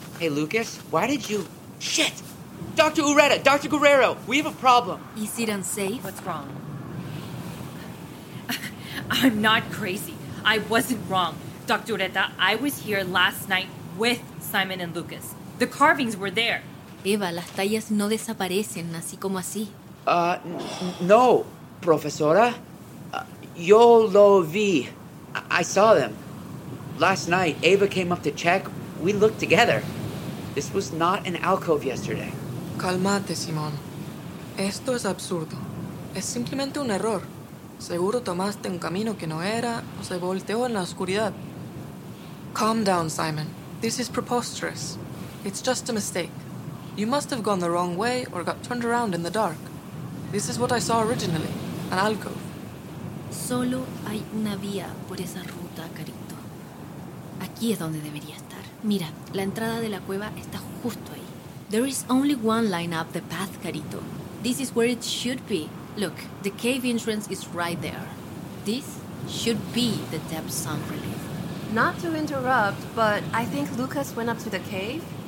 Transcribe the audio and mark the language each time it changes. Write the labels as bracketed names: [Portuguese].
[English] Hey, Lucas, why did you... Shit! Dr. Ureta, Dr. Guerrero, we have a problem. Is it unsafe? What's wrong? I'm not crazy. I wasn't wrong. Dr. Ureta, I was here last night with Simon and Lucas. The carvings were there. [Spanish] Eva, las tallas no desaparecen así como así. No, profesora. Yo lo vi. [English] I saw them. Last night, Eva came up to check. We looked together. This was not an alcove yesterday. [Spanish] Calmate, Simón. Esto es absurdo. Es simplemente un error. Seguro tomaste un camino que no era o se volteó en la oscuridad. [English] Calm down, Simon. This is preposterous. It's just a mistake. You must have gone the wrong way or got turned around in the dark. This is what I saw originally, an alcove. [Spanish] Solo hay una vía por esa ruta, carito. Aquí es donde debería estar. Mira, la entrada de la cueva está justo ahí. [English] There is only one line up the path, carito. This is where it should be. Look, the cave entrance is right there. This should be the depth sound relief. Not to interrupt, but I think Lucas went up to the cave.